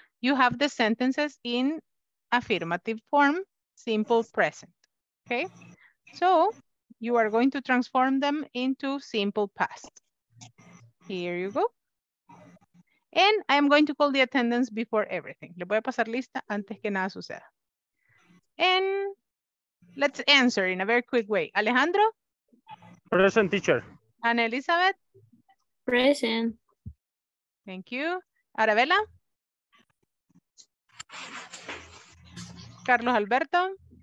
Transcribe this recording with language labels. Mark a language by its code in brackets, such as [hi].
[en] You have the sentences in affirmative form, simple present. Okay. So you are going to transform them into simple past. Here you go. And I am going to call the attendance before everything. [es] Le voy a pasar lista antes que nada suceda. [en] And let's answer in a very quick way. Alejandro? Present, teacher. Ana Elizabeth? Present. Thank you. Arabella? Carlos Alberto?